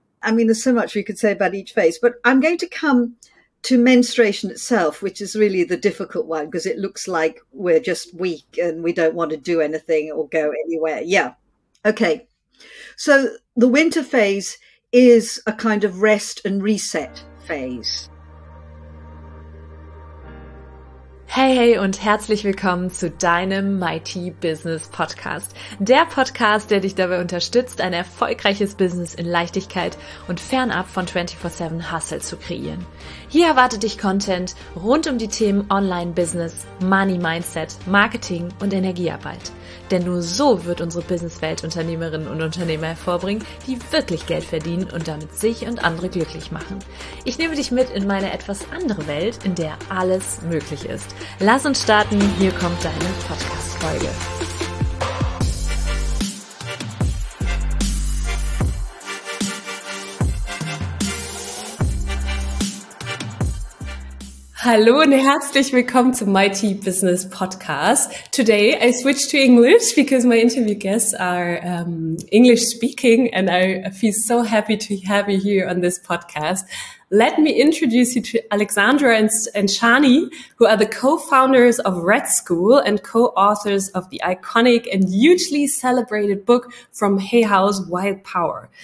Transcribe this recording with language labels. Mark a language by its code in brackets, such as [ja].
[en] I mean, there's so much we could say about each phase, but I'm going to come to menstruation itself, which is really the difficult one because it looks like we're just weak and we don't want to do anything or go anywhere. Yeah. Okay. So the winter phase is a kind of rest and reset phase. [de] Hey, und herzlich willkommen zu deinem Mighty Business Podcast. Der Podcast, der dich dabei unterstützt, ein erfolgreiches Business in Leichtigkeit und fernab von 24/7 Hustle zu kreieren. Hier erwartet dich Content rund um die Themen Online-Business, Money-Mindset, Marketing und Energiearbeit. Denn nur so wird unsere Businesswelt Unternehmerinnen und Unternehmer hervorbringen, die wirklich Geld verdienen und damit sich und andere glücklich machen. Ich nehme dich mit in meine etwas andere Welt, in der alles möglich ist. Lass uns starten, hier kommt deine Podcast-Folge. Hallo und herzlich willkommen zum Mighty Business Podcast. [en] Today I switched to English because my interview guests are English speaking and I feel so happy to have you here on this podcast. Let me introduce you to Alexandra and Shani, who are the co-founders of Red School and co-authors of the iconic and hugely celebrated book from Hay House, Wild Power.